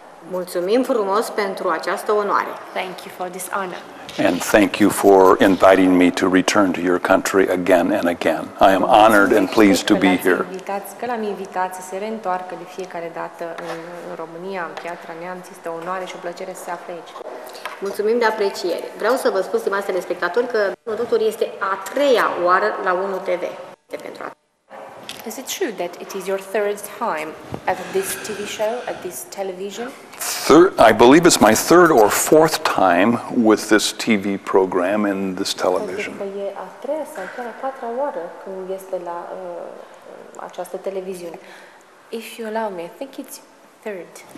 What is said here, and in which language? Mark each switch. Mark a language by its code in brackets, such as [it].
[ro] Mulțumim frumos pentru această onoare. [en] Thank you for this honor. And thank you for inviting me to return to your country again and again. I am honored and pleased to be here. [ro] Că l-am invitat să se reîntoarcă de fiecare dată în România, în Piatra Neamț, este o onoare și o plăcere să se afle aici. Mulțumim de apreciere. Vreau să vă spun, stimați telespectatori, că domnul doctor este a treia oară la 1 TV. [en] Is it true that it is your third time at this TV show, at this television? I believe it's my third or fourth time with this TV program and this television. [ro] E a treia sau chiar a patra oară când este la această televiziune. [en] If you allow me, I think it's third.